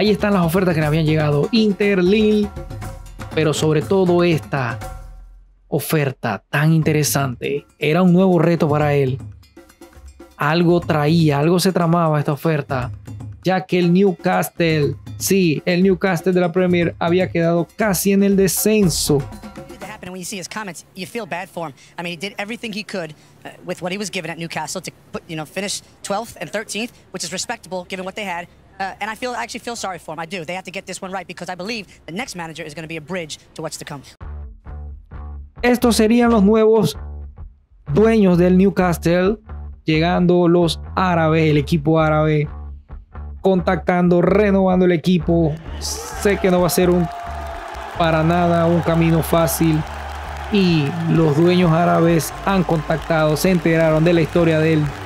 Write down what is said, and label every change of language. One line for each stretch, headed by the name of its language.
Spanish: Ahí están las ofertas que le habían llegado: Inter, Lille, pero sobre todo esta oferta tan interesante. Era un nuevo reto para él. Algo traía, algo se tramaba esta oferta, ya que el Newcastle, sí, el Newcastle de la Premier había quedado casi en el descenso.
English: And when you see his comments, you feel bad for him. I mean, he did everything he could with what he was given at Newcastle to put, you know, finish 12th and 13th, which is respectable given what they had. And I actually feel sorry for him. I do. They have to get this one right because I believe the next manager is going to be a bridge to what's to come.
Spanish: Estos serían los nuevos dueños del Newcastle, llegando los árabes, el equipo árabe, contactando, renovando el equipo. Sé que no va a ser para nada un camino fácil, y los dueños árabes han contactado, se enteraron de la historia del